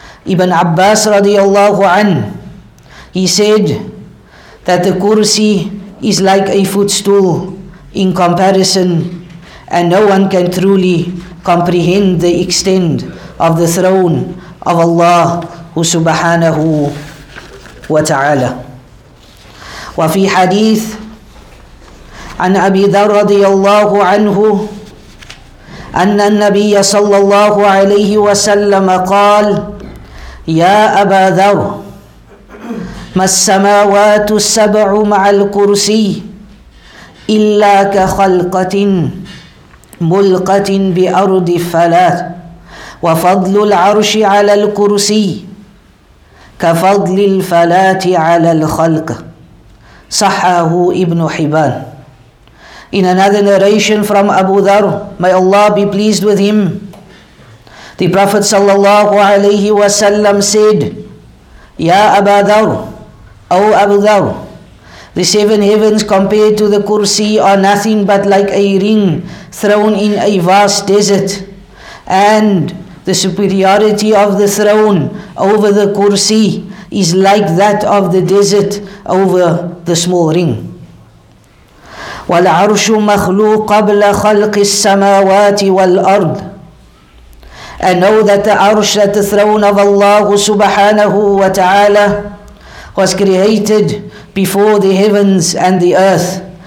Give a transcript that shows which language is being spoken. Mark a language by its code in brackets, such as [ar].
[en] Ibn Abbas radiallahu an, he said that the kursi is like a footstool in comparison, and no one can truly comprehend the extent of the throne of Allah subhanahu wa ta'ala. [ar] وفي حديث عن أبي ذر رضي الله عنه أن النبي صلى الله عليه وسلم قال يا أبا ذر ما السماوات السبع مع الكرسي إلا كخلقة ملقة بأرض فلات وفضل العرش على الكرسي كفضل الفلات على الخلق صحه ابن حبان. [en] In another narration from Abu Dharr, may Allah be pleased with him, the Prophet sallallahu alayhi wa sallam said, Ya Abu Dharr, O Abu Dharr, the seven heavens compared to the kursi are nothing but like a ring thrown in a vast desert, and the superiority of the throne over the kursi is like that of the desert over the small ring. [ar] والعرش مخلوق قبل خلق السماوات والأرض. [en] I know that the arsh, that the throne of Allah subhanahu wa ta'ala, was created before the heavens and the earth.